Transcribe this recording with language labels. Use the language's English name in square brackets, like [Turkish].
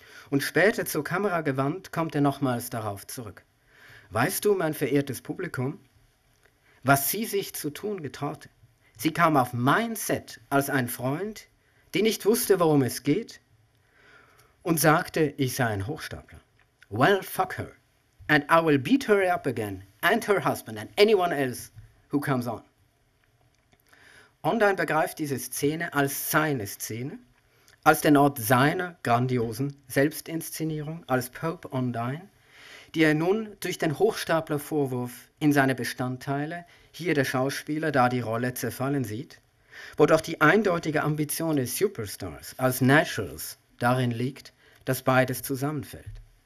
[German] Und später zur Kamera gewandt, kommt er nochmals darauf zurück. Weißt du, mein verehrtes Publikum, was sie sich zu tun getraute? Sie kam auf mein Set als ein Freund, die nicht wusste, worum es geht, und sagte, ich sei ein Hochstapler. [English] Well, fuck her. And I will beat her up again, and her husband, and anyone else who comes on. [German] Ondine begreift diese Szene als seine Szene, als den Ort seiner grandiosen Selbstinszenierung, als Pope Ondine, die er nun durch den Hochstapler-Vorwurf in seine Bestandteile, hier der Schauspieler, da die Rolle zerfallen sieht, wodurch die eindeutige Ambition des Superstars als Naturals darin liegt, dass beides zusammenfällt.